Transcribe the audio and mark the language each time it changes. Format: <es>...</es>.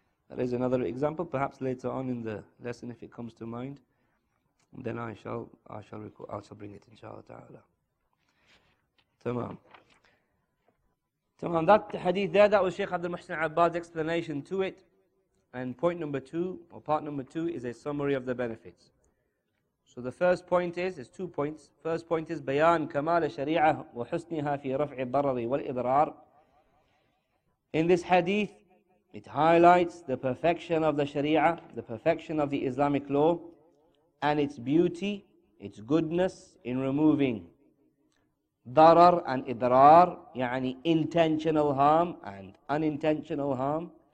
<en>There is another example, perhaps later on in the lesson, if it comes to mind, then I shall bring it, inshallah ta'ala. Tamam. That hadith there, that was Shaykh Abdul Muhsin Abbad's explanation to it. And point number two, or part number two, is a summary of the benefits. So the first point is, there's two points. First point is,</en> <ar>بيان كمال الشريعة وحسنها في رفع الضرر والإضرار.</ar> <en>In this hadith, it highlights the perfection of the Sharia, the perfection of the Islamic law, and its beauty, its goodness in removing darar and idrar, يعني intentional harm and unintentional harm.</en>